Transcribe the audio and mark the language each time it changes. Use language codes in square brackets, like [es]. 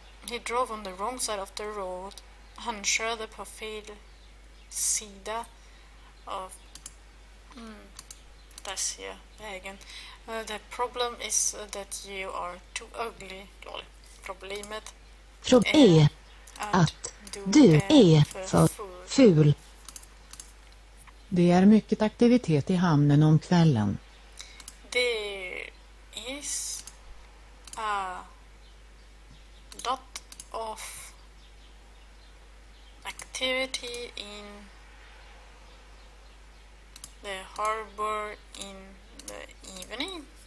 [en] He drove on the wrong side of the road. [sv] Han körde på fel sida av vägen. [en] The problem is that you are too ugly. [sv] Problemet är att du är för ful. Det är mycket aktivitet i hamnen om kvällen. [en] There is a lot of activity in the harbor in the evening.